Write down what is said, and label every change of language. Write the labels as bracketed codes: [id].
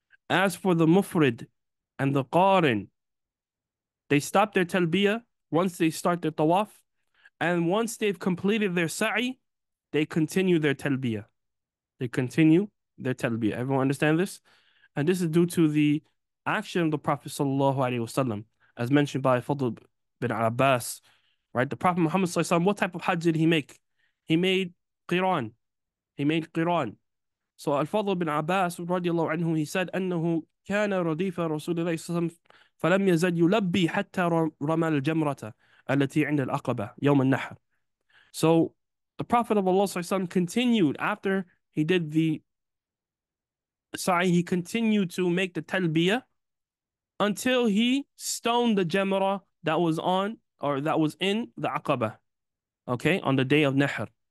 [en] As for the mufrid and the qarin, they stop their talbiyah once they start their tawaf, and once they've completed their sa'i, they continue their talbiyah. They continue their talbiyah. Everyone understand this? And this is due to the action of the Prophet sallallahu alaihi wasallam, as mentioned by Fadl bin Abbas, right? The Prophet Muhammad sallallahu alaihi wasallam, what type of hajj did he make? He made qiran. He made qiran. So Al-Fadl bin Abbas radiallahu anhu, he said, [ar] أَنَّهُ كَانَ رَدِيفَ رَسُولِ اللَّهِ صَلَّى اللَّهُ عَلَيْهِ وَسَلَّمَ فَلَمْ يَزَدْ يُلَبِّي حَتَّى رَمَى الْجَمْرَةَ الَّتِي عِنْدَ الْأَقَبَةِ يَوْمَ النَّحْرِ. [en] So the Prophet of Allah continued after he did the Sa'i, he continued to make the talbiyah until he stoned the jamrah that was on or that was in the Aqaba, okay, on the day of Nahr.